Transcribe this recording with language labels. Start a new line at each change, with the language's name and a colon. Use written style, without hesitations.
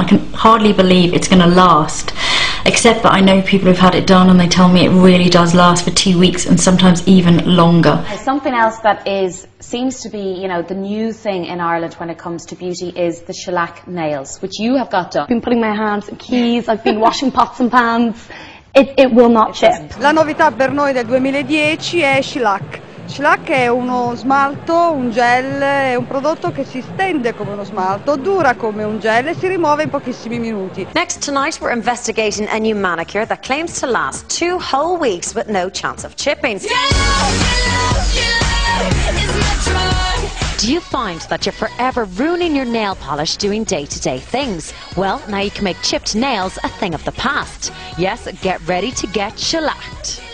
English: I can hardly believe it's going to last. Except that I know people have had it done and they tell me it really does last for 2 weeks and sometimes even longer. Something else that seems to be, you know, the new thing in Ireland when it comes to beauty is the shellac nails, which you have got done. I've been putting my hands in keys, I've been washing pots and pans. It will not chip.
Italian: La novità per noi del 2010 è shellac. Shellac è uno smalto, un gel, è un prodotto che si stende come uno smalto, dura come un gel e si rimuove in pochissimi minuti.
English: Next tonight we're investigating a new manicure that claims to last 2 whole weeks with no chance of chipping. Do you find that you're forever ruining your nail polish doing day-to-day things? Well, now you can make chipped nails a thing of the past. Yes, get ready to get shellacked.